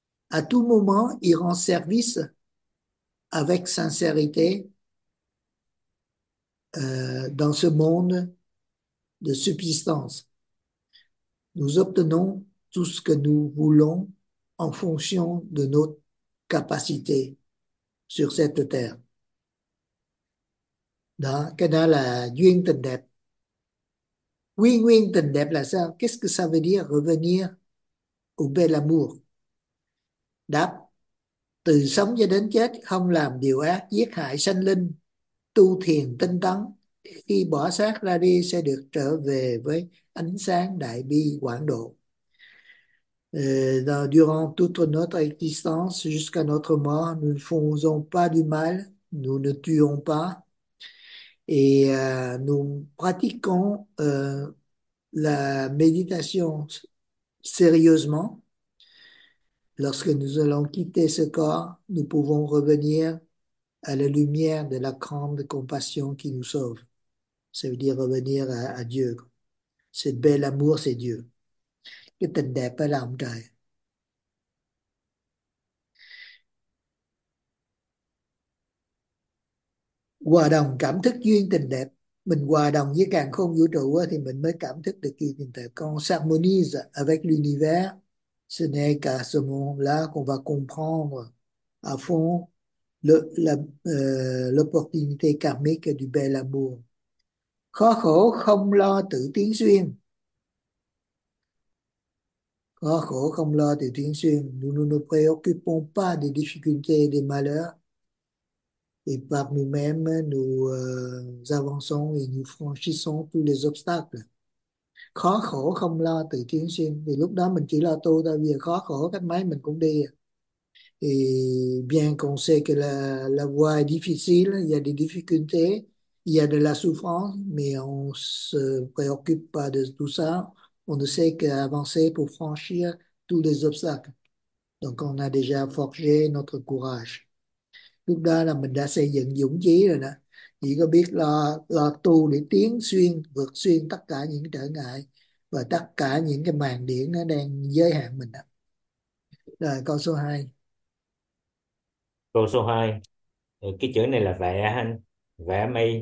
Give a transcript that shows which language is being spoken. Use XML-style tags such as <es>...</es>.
<fr>À tout moment, il rend service avec sincérité dans ce monde de subsistance. Nous obtenons tout ce que nous voulons en fonction de notre capacité sur cette terre.</fr> <vi>Đó, cái đó là duyên tình đẹp. Quy nguyên tình đẹp là sao?</vi> <fr>Qu'est-ce que ça veut dire revenir au bel amour?</fr> <vi>Đáp, từ sống cho đến chết, không làm điều ác, giết hại sanh linh, tu thiền tinh tấn, khi bỏ xác ra đi sẽ được trở về với ánh sáng đại bi quảng độ.</vi> <fr>Durant toute notre existence, jusqu'à notre mort, nous ne faisons pas du mal, nous ne tuons pas, et nous pratiquons la méditation sérieusement. Lorsque nous allons quitter ce corps, nous pouvons revenir à la lumière de la grande compassion qui nous sauve. Ça veut dire revenir à Dieu. Ce bel amour, c'est Dieu.</fr> <vi>Cái tình đẹp ở lòng trời. Hòa đồng, cảm thức duyên tình đẹp. Mình hòa đồng với càn khôn vũ trụ thì mình mới cảm thức được duyên tình đẹp.</vi> <fr>Quand on s'harmonise avec l'univers, ce n'est qu'à ce moment-là qu'on va comprendre à fond l'opportunité karmique du bel amour.</fr> <vi>Khó khổ không lo tự tiến duyên. Khó khổ không lo tự tiến duyên.</vi> <fr>Nous ne nous préoccupons pas des difficultés et des malheurs. Et par nous-mêmes, nous avançons et nous franchissons tous les obstacles.</fr> <vi>Khó khổ không lo tự tiến duyên. Thì lúc đó mình chỉ lo tu thôi. Vì khó khổ cách mấy mình cũng đi.</vi> <fr>Et bien qu'on sait que la voie est difficile, il y a des difficultés, il y a de la souffrance, mais on ne se préoccupe pas de tout ça. On ne sait qu'avancer pour franchir tous les obstacles. Donc on a déjà forgé notre courage.</fr> <vi>Lúc đó là mình đã xây dựng dũng chí rồi đó. Chỉ có biết là tu để tiến xuyên, vượt xuyên tất cả những trở ngại và tất cả những cái màn điện nó đang giới hạn mình đó. Rồi câu số 2. Câu số 2. Cái chữ này là vẽ anh. Vẽ mây</vi>